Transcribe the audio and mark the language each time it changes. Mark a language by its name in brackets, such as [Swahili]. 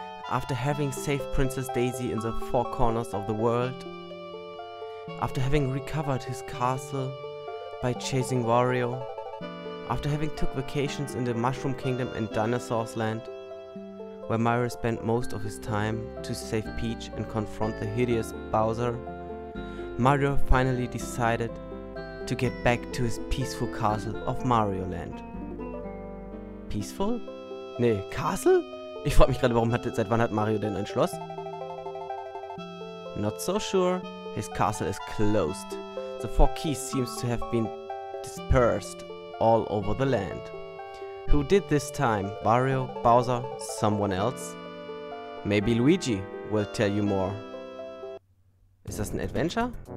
[English] After having saved Princess Daisy in the four corners of the world, after having recovered his castle by chasing Wario, after having took vacations in the Mushroom Kingdom and Dinosaur's Land, where Mario spent most of his time to save Peach and confront the hideous Bowser, Mario finally decided to get back to his peaceful castle of Mario Land. Peaceful? Nee, Castle? [German] Ich frag mich gerade, seit wann hat Mario denn ein Schloss? [English] Not so sure. His castle is closed. The four keys seems to have been dispersed all over the land. Who did this time? Mario, Bowser, someone else? Maybe Luigi will tell you more. [German] Ist das ein Adventure?